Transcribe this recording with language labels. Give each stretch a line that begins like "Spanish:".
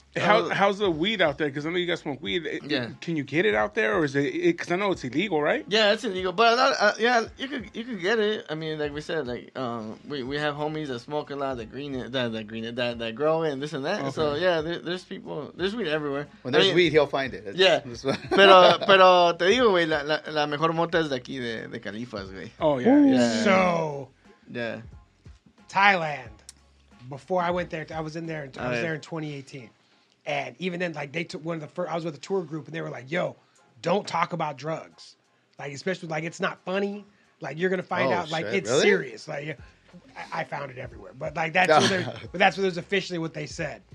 English: How's the weed out there? Because I know you guys smoke weed. Can you get it out there, or is it? Because I know it's illegal, right? Yeah, it's illegal. But you could get it. I mean, like we said, like we have homies that smoke a lot, that grow it and this and that. Okay. So yeah, there's people. There's weed everywhere. When there's weed, he'll find it.
Spanish: pero te digo, güey, la mejor mota es de aquí de Califas, güey.
English: Oh yeah. So yeah, Thailand. Before I went there, I was there in 2018. And even then, like, they took one of the first, I was with a tour group, and they were like, yo, don't talk about drugs. Like, especially, like, it's not funny. Like, you're going to find out, like, shit, it's really? Serious. Like, I found it everywhere. But, like, that's officially what they said.